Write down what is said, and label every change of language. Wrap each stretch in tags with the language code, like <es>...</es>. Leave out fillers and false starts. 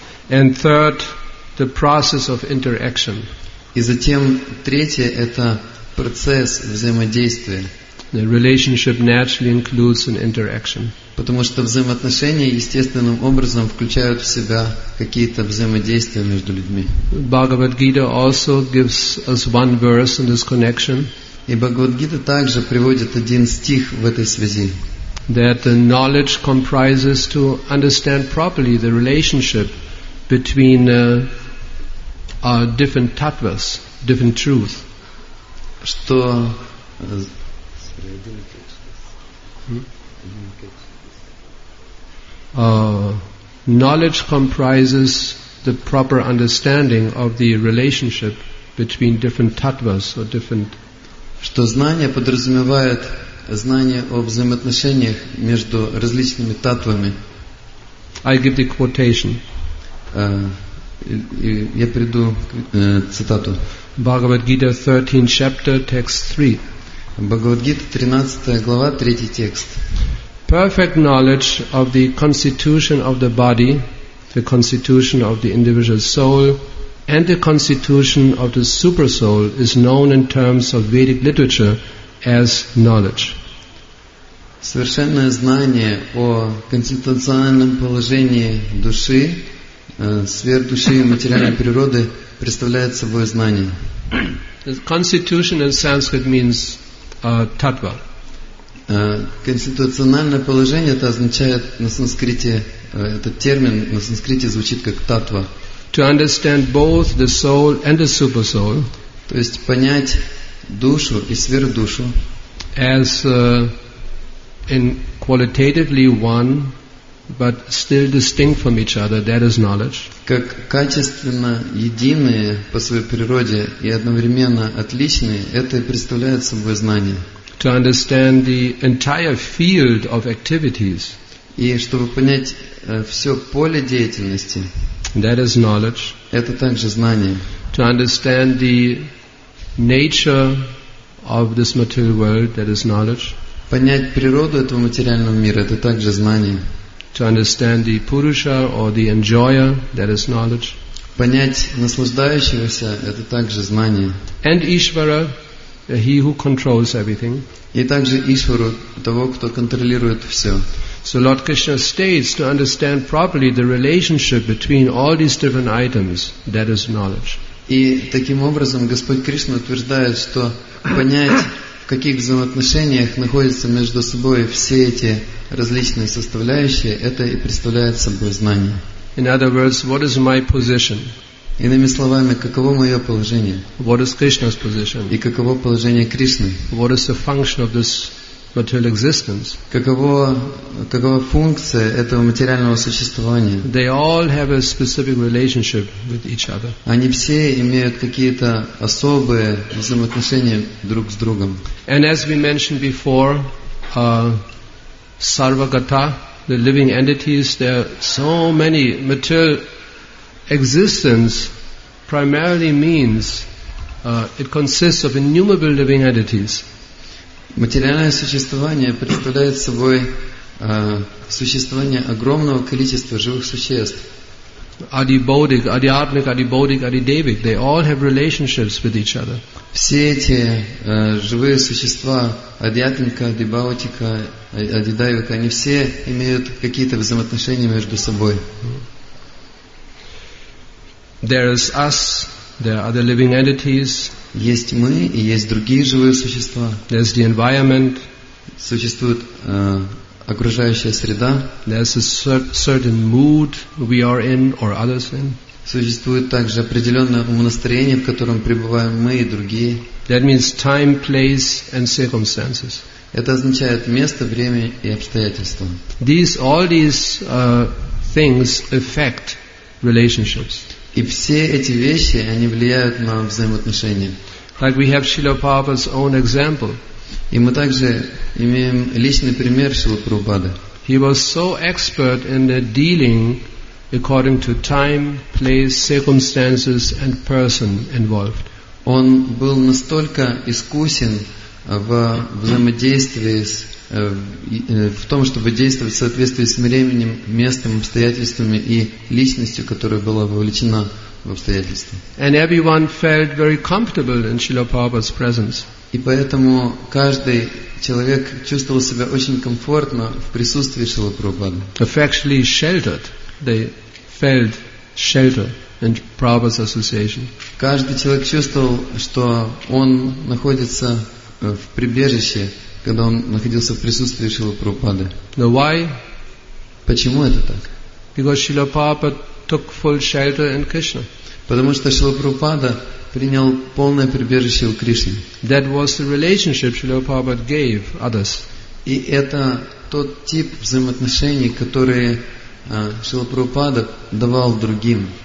<en>And third, the process of interaction.</en> <ru>И затем третье – это процесс взаимодействия.</ru> <en>The relationship naturally includes an interaction.</en> <ru>Потому что взаимоотношения естественным образом включают в себя какие-то взаимодействия между людьми.</ru> <en>Bhagavad Gita also gives us one verse in this connection.</en> <ru>И Бхагавад Гита также приводит один стих в этой связи.</ru> <en>That the knowledge comprises to understand properly the relationship between different tattvas, different truth.</en> <ru>Что</ru> <en>Knowledge comprises the proper understanding of the relationship between different tattvas or different.</en> <ru>Что знание подразумевает знание о взаимоотношениях между различными таттвами.</ru> <en>I give the quotation.</en> <ru>Я приду цитату.</ru> <en>Bhagavad Gita 13 chapter text 3.</en> <ru>Bhagavad Gita 13 глава 3 текст.</ru> <en>Perfect knowledge of the constitution of the body, the constitution of the individual soul, and the constitution of the super soul is known in terms of Vedic literature as knowledge.</en> <ru>Совершенное знание о конституциональном положении души, сверхдуши и материальной природы представляет собой знание.</ru> <en>The constitution in Sanskrit means tattva.</en> <ru>Конституциональное положение это означает на санскрите этот термин на санскрите звучит как таттва.</ru> <en>To understand both the soul and the super soul.</en> <ru>То есть понять душу и сверхдушу.</ru> <en>As in qualitatively one, but still distinct from each other, that is knowledge.</en> <ru>Как качественно единые по своей природе и одновременно отличные, это и представляет собой знание.</ru> <en>To understand the entire field of activities.</en> <ru>И чтобы понять все поле деятельности.</ru> <en>That is knowledge.</en> <ru>Это также знание.</ru> <en>To understand the nature of this material world, that is knowledge.</en> <ru>Понять природу этого материального мира, это также знание.</ru> <en>To understand the Purusha or the enjoyer, that is knowledge.</en> <ru>Понять наслаждающегося, это также знание.</ru> <en>And Ishvara, he who controls everything.</en> <ru>И также Ишвару, того, кто контролирует все.</ru> <en>So Lord Krishna states to understand properly the relationship between all these different items, that is knowledge.</en> <ru>И таким образом Господь Кришна утверждает, что понять, в каких взаимоотношениях находятся между собой все эти различные составляющие, это и представляет собой знание.</ru> <en>In other words, what is my position?</en> <ru>Иными словами, каково мое положение?</ru> <en>What is Krishna's position?</en> <ru>И каково положение Кришны?</ru> <en>What is the function of this material existence?</en> <ru>Какова функция этого материального существования?</ru> <en>They all have a specific relationship with each other.</en> <ru>Они все имеют какие-то особые взаимоотношения друг с другом.</ru> <en>And as we mentioned before, sarvagata, the living entities, there are so many material existence primarily means it consists of innumerable living entities.</en> <ru>Материальное существование представляет собой существование огромного количества живых существ.</ru> <en>Adibodhik, Adiatmik, Adibodhik, Adidevik, they all have relationships with each other.</en> <ru>Все эти живые существа, Адиатмика, Адибаутика, Адидайвика, они все имеют какие-то взаимоотношения между собой.</ru> <en>There is us, there are other living entities.</en> <ru>Есть мы и есть другие живые существа.</ru> <en>There's the environment.</en> <ru>Существует окружающая среда.</ru> <en>There's a certain mood we are in or others in.</en> <ru>Существует также определенное умонастроение, в котором пребываем мы и другие.</ru> <en>That means time, place and circumstances.</en> <ru>Это означает место, время и обстоятельства.</ru> <en>These, all these things affect relationships.</en> <ru>И все эти вещи, они влияют на взаимоотношения.</ru> <en>Like we have Srila Prabhupada's own example.</en> <ru>И мы также имеем личный пример Шрилы Прабхупады.</ru> <en>He was so expert in the dealing according to time, place, circumstances and person involved.</en> <ru>Он был настолько искусен в взаимодействии с, в том, чтобы действовать в соответствии с временем, местом, обстоятельствами и личностью, которая была вовлечена в обстоятельства.</ru> <en>And everyone felt very comfortable in Srila Prabhupada's presence.</en> <ru>И поэтому каждый человек чувствовал себя очень комфортно в присутствии Шрилы Прабхупады.</ru> <en>Affectionately sheltered, they felt shelter in Prabhupada's association.</en> <ru>Каждый человек чувствовал, что он находится в прибежище, когда он находился в присутствии Шрилы Прабхупады.</ru> <en>Now why?</en> <ru>Почему это так?</ru> <en>Because Srila Prabhupada took full shelter in Krishna.</en> <ru>Потому что Шрила Прабхупада принял полное прибежище у Кришны.</ru> <en>That was the relationship Srila Prabhupada gave others.</en> <ru>И это тот тип взаимоотношений, которые Шрила Прабхупада давал другим.</ru>